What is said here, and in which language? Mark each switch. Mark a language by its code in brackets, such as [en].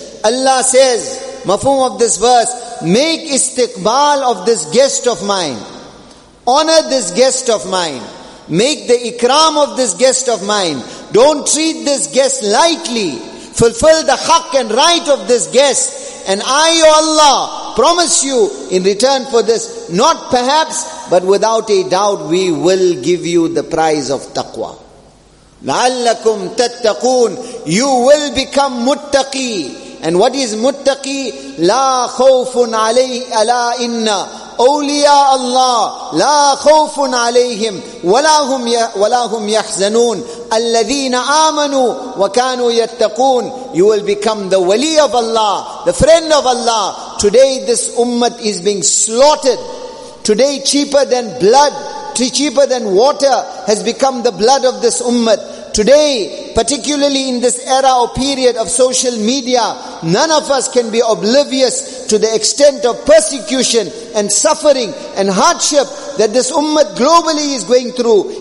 [en] Allah says, mafhum of this verse, make istiqbal of this guest of mine, honor this guest of mine, make the ikram of this guest of mine, don't treat this guest lightly, fulfill the haq and right of this guest, and I, O Allah, promise you in return for this, not perhaps, but without a doubt, we will give you the prize of taqwa. [ar] لَعَلَّكُمْ تَتَّقُونَ [en] you will become muttaqi. And what is muttaqi? [ar] لَا خَوْفٌ عَلَيْهِ أَلَا إِنَّ أَوْلِيَا اللَّهِ لَا خَوْفٌ عَلَيْهِمْ وَلَا هُمْ يَحْزَنُونَ الَّذِينَ آمَنُوا وَكَانُوا يَتَّقُونَ [en] you will become the wali of Allah, the friend of Allah. Today this ummah is being slaughtered. Today cheaper than blood, cheaper than water has become the blood of this ummah. Today, particularly in this era or period of social media, none of us can be oblivious to the extent of persecution and suffering and hardship that this ummah globally is going through.